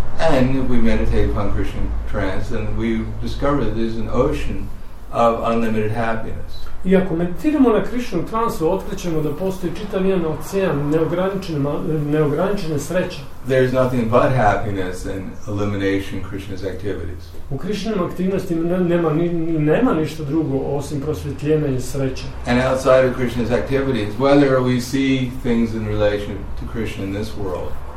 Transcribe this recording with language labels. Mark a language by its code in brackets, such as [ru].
[en] And if we meditate upon Krishna in trance, then we discover that there's an ocean of unlimited happiness. [hr] I ako meditiramo na Krishnu u transu, otkrićemo da postoji čitav jedan ocean neograničene sreće. [en] There is nothing but happiness and elimination Krishna's activities. [hr] U Krishna aktivnosti nema ništa drugo osim prosvjetljenja i sreće. [en] And outside of Krishna's activities, whether we see things in relation to Krishna in this world.